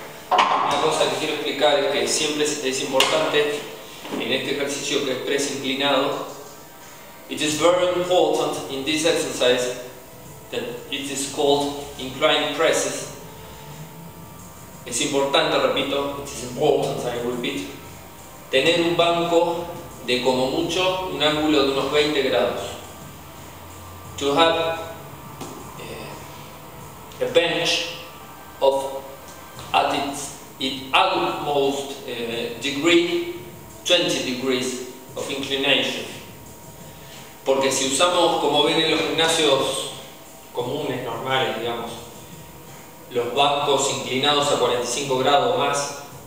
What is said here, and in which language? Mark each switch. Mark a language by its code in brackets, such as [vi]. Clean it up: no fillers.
[es] Una cosa que quiero explicar es que siempre es importante en este ejercicio que es press inclinado. [en] It is very important in this exercise that it is called inclined presses. [es] Es importante, repito, [en] it is important, I repeat, [es] tener un banco de como mucho un ángulo de unos 20 grados. [en] To have a bench of at its utmost degree 20 degrees of inclination, [es] porque si usamos, como ven en los gimnasios comunes, normales, digamos, los bancos inclinados a 45 grados más,